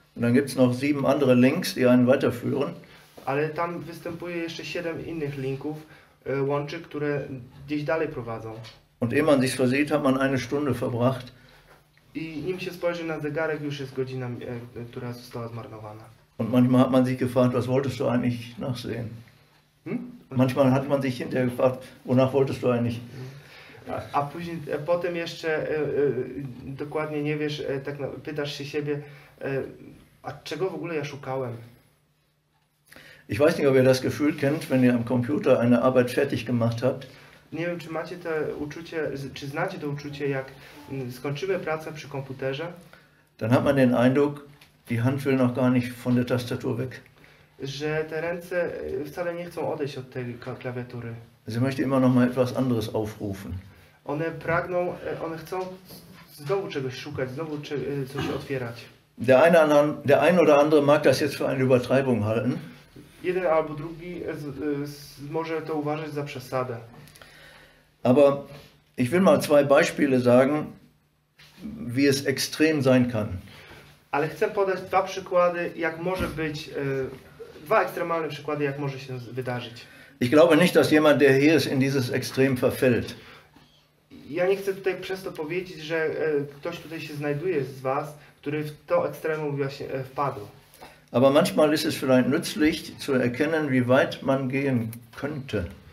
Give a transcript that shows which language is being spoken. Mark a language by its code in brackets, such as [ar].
[de] Und dann gibt es noch 7 andere Links, die einen weiterführen. [pl] Ale tam występuje jeszcze 7 innych linków, łączy, które gdzieś dalej prowadzą. [de] Und ehe man sich versieht, hat man eine Stunde verbracht. [pl] I nim się spojrzy na zegarek, już jest godzina, która została zmarnowana. [de] Und manchmal hat man sich gefragt, was wolltest du eigentlich nachsehen? Manchmal hat man sich hinterher gefragt, wonach wolltest du eigentlich? [pl] A później, potem jeszcze dokładnie nie wiesz, tak pytasz się siebie, a czego w ogóle ja szukałem? [de] Ich weiß nicht, ob ihr das Gefühl kennt, wenn ihr am Computer eine Arbeit fertig gemacht habt. [pl] Nie wiem, czy macie to uczucie, czy znacie to uczucie, jak skończymy pracę przy komputerze. [de] Dann hat man den Eindruck, die Hand will noch gar nicht von der Tastatur weg. [pl] Że te ręce wcale nie chcą odejść od tej klawiatury. [de] Sie möchte immer noch mal etwas anderes aufrufen. [pl] One pragną, one chcą znowu czegoś szukać, znowu coś otwierać. [de] Der ein oder andere mag das jetzt für eine Übertreibung halten. [pl] Jeden albo drugi może to uważać za przesadę. [de] Aber Ich will mal zwei Beispiele sagen, wie es extrem sein kann. [pl] Ale chcę podać dwa przykłady, jak może być, dwa ekstremalne przykłady, jak może się wydarzyć. [de] Ich glaube nicht, dass jemand, der hier ist, in dieses Extrem verfällt. [pl] Ja nie chcę tutaj przez to powiedzieć, że ktoś tutaj się znajduje z was, który w to ekstremum właśnie wpadł. [de] Aber manchmal ist es vielleicht nützlich zu erkennen, wie weit man gehen könnte.